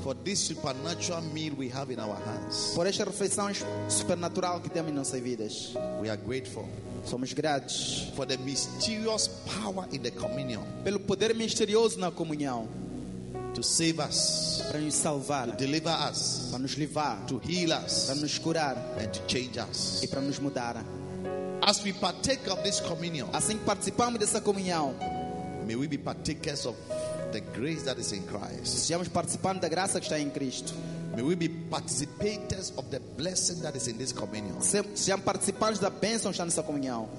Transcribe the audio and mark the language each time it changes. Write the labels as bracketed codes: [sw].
[en] For this supernatural meal we have in our hands. [pt] Por esta refeição supernatural que temos em nossas vidas. [en] We are grateful. [pt] Somos gratos. [en] For the mysterious power in the communion. [pt] Pelo poder misterioso na comunhão. [en] To save us. [pt] Para nos salvar. [en] To deliver us. [pt] Para nos livrar. [en] To heal us. [pt] Para nos curar. [en] And to change us. [pt] E para nos mudar. [en] As we partake of this communion. [pt] Assim que participamos dessa comunhão. [en] May we be partakers of the grace that is in Christ. [pt] Sejamos participantes da graça que está em Cristo. [en] May we be participators of the blessing that is in this communion. [pt] Sejamos participantes da bênção que está nessa comunhão.